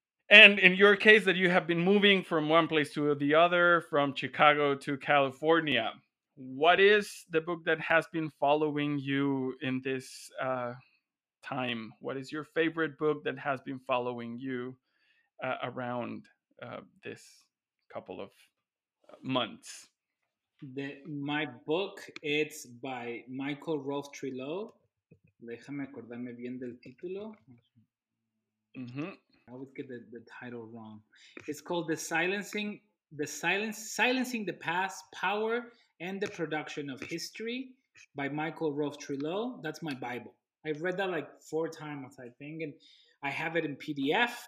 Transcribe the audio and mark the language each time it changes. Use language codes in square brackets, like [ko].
[en] And in your case, that you have been moving from one place to the other, from Chicago to California, what is the book that has been following you in this time? What is your favorite book that has been following you around this couple of months? My book, it's by Michael Rolfe Trelaw. [es] Déjame acordarme bien del título. [en] Mm-hmm. I always get the title wrong. It's called Silencing the Past, Power and the Production of History by Michael Rolfe Trelaw. That's my Bible. I've read that like four times, I think, and I have it in PDF.